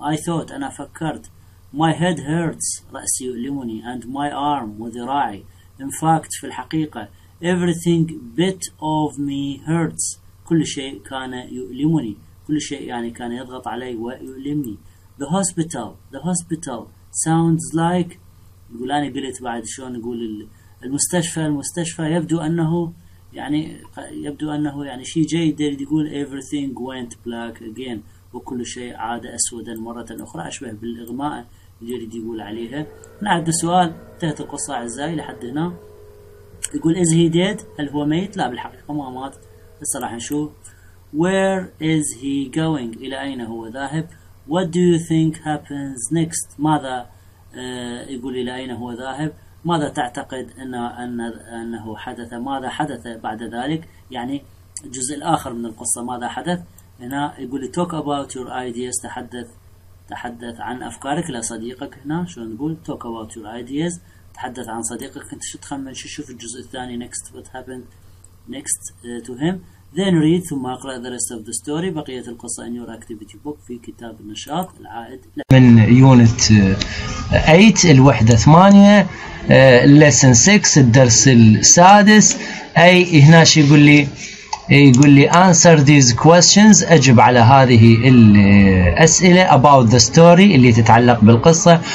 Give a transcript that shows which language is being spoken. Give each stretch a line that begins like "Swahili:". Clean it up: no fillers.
English: I thought
Arabic: أنا فكرت.
English: My head hurts.
Arabic: رأسي يؤلمني.
English: And my arm.
Arabic: وذراعي.
English: In fact
Arabic: في الحقيقة.
English: Everything bit of me hurts.
Arabic: كل شيء كان يؤلمني. كل شيء يعني كان يضغط علي ويؤلمني.
English: The hospital. The hospital. Sounds like.
Arabic: يقول أنا قلت بعد شلون نقول المستشفى. المستشفى يبدو أنه يعني شيء جيد. يقول
English: everything went black again.
Arabic: وكل شيء عاد أسودا مرة أخرى، أشبه بالإغماء اللي يريد يقول عليها. نعد السؤال، انتهت القصة أعزائي لحد هنا. يقول
English: is he dead؟
Arabic: هل هو ميت؟ لا بالحقيقة ما مات، بس راح نشوف.
English: Where is he going؟
Arabic: إلى أين هو ذاهب؟
English: What do you think happens next؟
Arabic: ماذا يقول إلى أين هو ذاهب؟ ماذا تعتقد أنه حدث؟ ماذا حدث بعد ذلك؟ يعني الجزء الآخر من القصة ماذا حدث؟ هنا يقول
English: talk about your ideas.
Arabic: تحدث عن أفكارك لصديقك. هنا شو نقول
English: talk about your ideas.
Arabic: تحدث عن صديقك. أنت شو تخمن شو شوف الجزء الثاني
English: next what happened next to him. Then read
Arabic: ثم أقرأ
English: the rest of the story.
Arabic: بقية القصة
English: in your activity book
Arabic: في كتاب النشاط العائد من
English: unit 8
Arabic: الوحدة 8
English: lesson 6
Arabic: الدرس السادس. أي هنا شو يقول لي؟ يقول لي
English: answer these questions،
Arabic: أجب على هذه الأسئلة
English: about the story
Arabic: اللي تتعلق بالقصة.